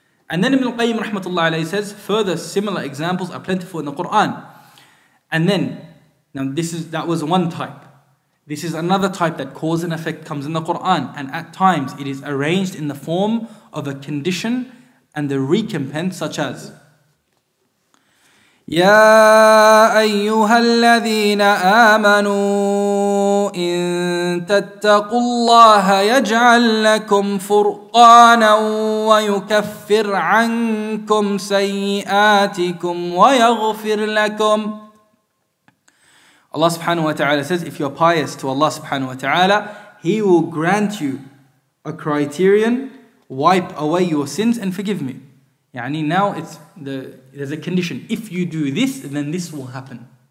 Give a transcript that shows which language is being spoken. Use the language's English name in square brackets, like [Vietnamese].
[English] And then Ibn al-Qayyim rahmatullah alayhi says, further similar examples are plentiful in the Quran. And then, that was one type. This is another type that cause and effect comes in the Quran. And at times it is arranged in the form of a condition and the recompense, such as, [Arabic] يا أيها الذين آمنوا إن تتقوا الله يجعل لكم فرقانا ويكفر عنكم سيئاتكم ويغفر لكم. [English] Allah subhanahu wa ta'ala says, if you're pious to Allah subhanahu wa ta'ala, He will grant you a criterion, wipe away your sins and forgive me. Yani now there's a condition. If you do this, then this will happen.